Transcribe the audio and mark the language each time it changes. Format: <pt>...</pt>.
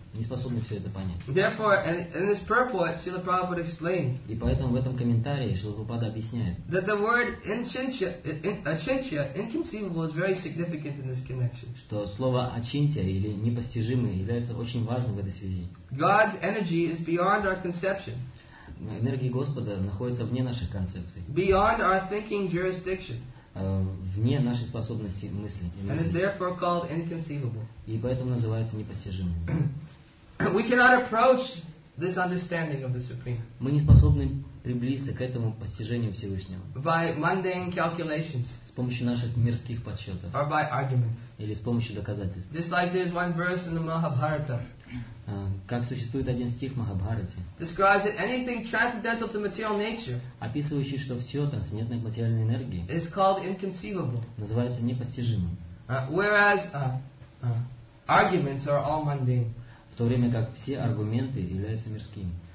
<ru>Не способны все это понять.</ru> <en>Therefore, in this purport, Srila Prabhupada explains.</en> <ru>И поэтому в этом комментарии Шрила Прабхупада объясняет.</ru> <en>That the word achintya, inconceivable, is very significant in this connection.</en> <ru>Что слово achintya или непостижимое является очень важным в этой связи.</ru> <en>God's energy is beyond our conception.</en> <ru>Энергия Господа находится вне наших концепций.</ru> <en>Beyond our thinking jurisdiction.</en> <ru>Вне нашей способности мысли.</ru> <en>And is therefore called inconceivable.</en> <ru>И поэтому называется непостижимым.</ru> <en>We cannot approach this understanding of the Supreme.</en> <ru>Мы не способны приблизиться к этому постижению Всевышнего.</ru> <en>By mundane calculations.</en> <ru>С помощью наших мирских подсчетов.</ru> <en>Or by arguments.</en> <ru>Или с помощью доказательств.</ru> <en>Just like there is one verse in the Mahabharata.</en> <ru>Как существует один стих в Махабхарате.</ru> <en>Describes that anything transcendental to material nature.</en> <ru>Описывающий, что все трансцендентное к материальной энергии.</ru> <en>Is called inconceivable.</en> <ru>Называется непостижимым.</ru> <en>Whereas arguments are all mundane.</en> <ru>В то время как все аргументы являются мирскими.</ru>